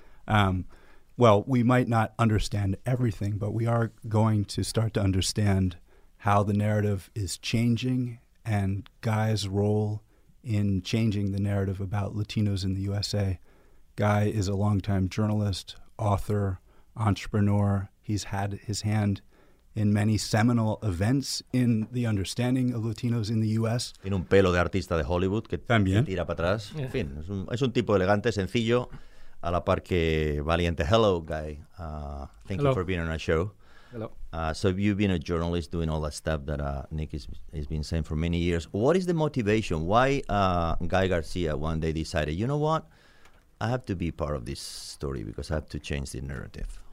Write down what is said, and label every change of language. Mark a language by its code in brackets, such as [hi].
[en] Well, we might not understand everything, but we are going to start to understand how the narrative is changing and Guy's role in changing the narrative about Latinos in the USA. Guy is a longtime journalist, author, entrepreneur. He's had his hand in many seminal events in the understanding of Latinos in the U.S. [es] Tiene un pelo de artista de Hollywood que también tira para atrás. Yeah. En fin, es un tipo elegante, sencillo, a la par que valiente. [en] Hello, Guy. Thank Hello. You for being on our show. Hello. So you've been a journalist doing all that stuff that Nick has been saying for many years. What is the motivation? Why Guy Garcia one day decided, you know what? I have to be part of this story because I have to change the narrative.